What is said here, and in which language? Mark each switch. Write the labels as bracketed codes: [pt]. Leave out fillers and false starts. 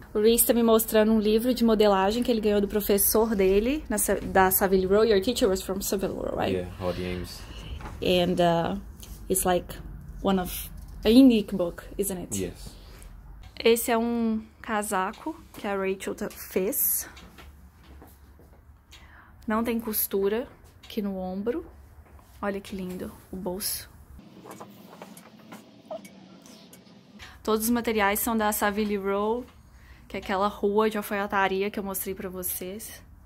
[pt] O Reece está me mostrando um livro de modelagem que ele ganhou do professor dele, da Savile Row. [en] Your teacher was from Savile Row, right? Yeah, Hardy Ames. And it's like one of a unique book, isn't it? Yes. [pt] Esse é um casaco que a Rachel fez. Não tem costura aqui no ombro. Olha que lindo o bolso. Todos os materiais são da Savile Row, que é aquela rua de alfaiataria que eu mostrei pra vocês.